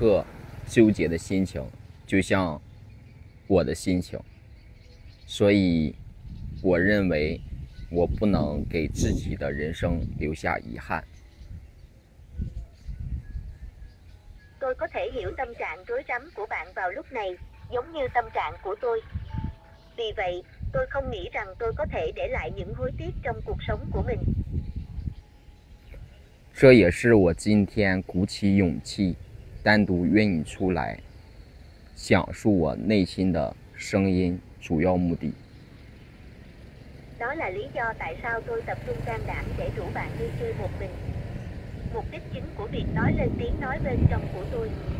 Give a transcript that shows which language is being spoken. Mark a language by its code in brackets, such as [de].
[zh] 我可以理解你此时此刻纠结的心情, 就像我的心情。所以我认为, 我不能给自己的人生留下遗憾。 [vi] Tôi có thể hiểu tâm trạng rối rắm của bạn vào lúc này, giống như tâm trạng của tôi. Vì vậy, tôi không nghĩ rằng tôi có thể để lại những hối tiếc trong cuộc sống của mình. [zh] 这也是我今天鼓起勇气单独愿意出来讲述我内心的声音主要目的。 [vi] Đó là lý do tại sao tôi tập trung can đảm để rủ bạn đi chơi một mình. Mục đích chính của việc nói lên tiếng nói bên trong của tôi.